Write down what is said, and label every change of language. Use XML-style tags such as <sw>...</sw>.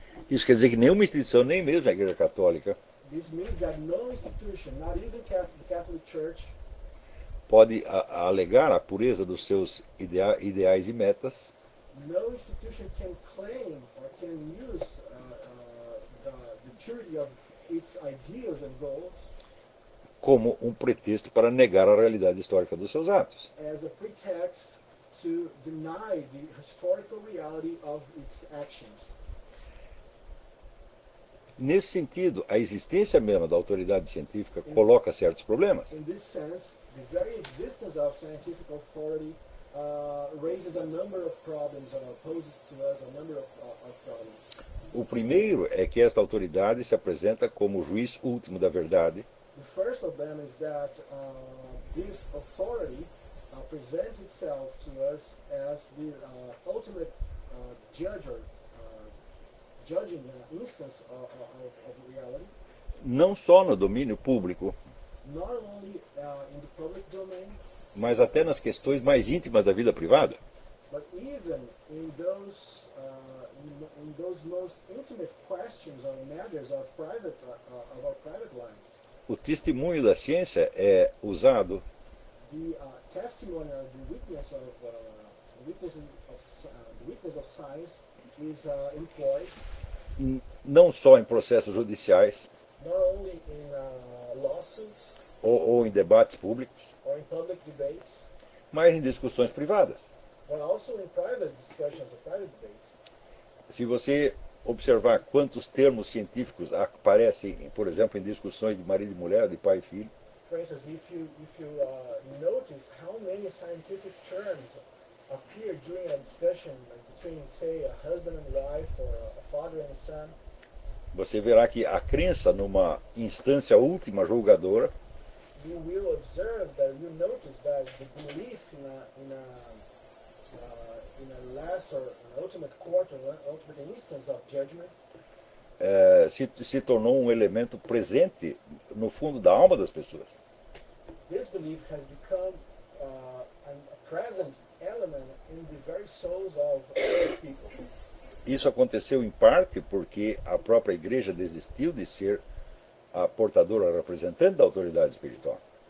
<pt>Isso quer dizer que nenhuma instituição, nem mesmo a Igreja Católica,</pt> <en>this means that no institution, not even the Catholic Church,</en> <pt>pode alegar a pureza dos seus ideais e metas.</pt> <en>No institution can claim or can use the purity of its ideas and goals</en> <pt>como um pretexto para negar a realidade histórica dos seus atos.</pt> <en>As a pretext to deny the historical reality of its actions.</en> <pt>Nesse sentido, a existência mesma da autoridade científica coloca certos problemas.</pt> <en>In this sense, the very existence of scientific authority raises a number of problems or poses to us a number of problems.</en> <pt>O primeiro é que esta autoridade se apresenta como o juiz último da verdade.</pt> <en>The first of them is that this authority presents itself to us as the ultimate judge or judging instance of reality,</en> <pt>não só no domínio público,</pt> <en>not only, in the public domain,</en> <pt>mas até nas questões mais íntimas da vida privada.</pt> <en>But even in those most intimate questions or matters of private of our private lives.</en> <pt>O testemunho da ciência é usado.</pt> <en>The testimony or the witness of the witness of science is employed.</en> <pt>Não só em processos judiciais,</pt> <en>not only in, lawsuits,</en> <pt>ou em debates públicos,</pt> <en>or in public debates,</en> <pt>mas em discussões privadas.</pt> <en>But also in private discussions or private debates.</en> <pt>Se você observar quantos termos científicos aparecem, por exemplo, em discussões de marido e mulher, de pai e filho.</pt> <en>For instance, if you notice how many scientific terms appear during a discussion between, say, a husband and wife or a father and son,</en> <pt>você verá que a crença numa instância última julgadora,</pt> <en>you will observe that you notice that the belief in a last or an ultimate court or an ultimate instance of judgment</en> <pt>se tornou um elemento presente no fundo da alma das pessoas.</pt> <en>This belief has become a present element in the very souls of people.</en> <pt>Isso aconteceu em parte porque a própria igreja desistiu de ser a portadora representante da autoridade espiritual.</pt>